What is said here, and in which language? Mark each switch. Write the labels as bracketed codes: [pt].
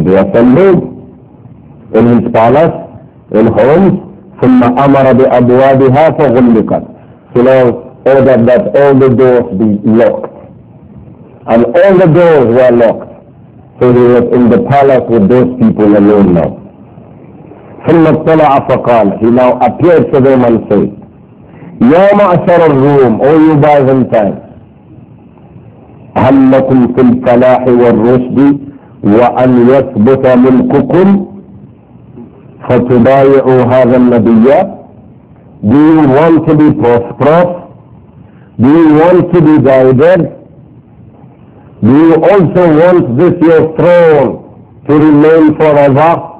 [en] They assembled in his palace, in homes, ثم أمر بأبوابها فغلقت. So now ordered that all the doors be locked. And all the doors were locked. So he was in the palace with those people alone now. [ar] ثم اطلع فقال, he now appeared to them and said, يا معشر الروم, O you Byzantines, هل لكم في الفلاح والرشد وأن يثبت ملككم فتبايعوا هذا النبي. [en] Do you want to be prosperous? Do you want to be guided? Do you also want this your throne to remain forever?